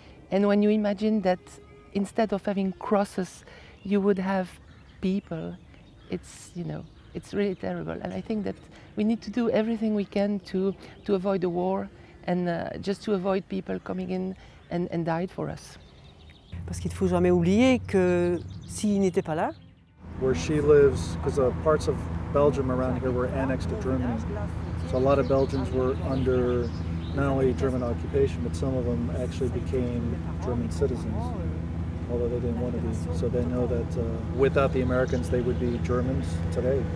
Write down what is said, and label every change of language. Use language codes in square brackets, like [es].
[en] And when you imagine that instead of having crosses, you would have people, it's, you know, it's really terrible. And I think that we need to do everything we can to avoid the war and just to avoid people coming in and died for us. [fr] Parce qu'il faut jamais oublier que s'il n'était pas là. [en] Where she lives, because parts of Belgium around here were annexed to Germany. So a lot of Belgians were under not only German occupation, but some of them actually became German citizens. Although they didn't want to be. So they know that without the Americans, they would be Germans today.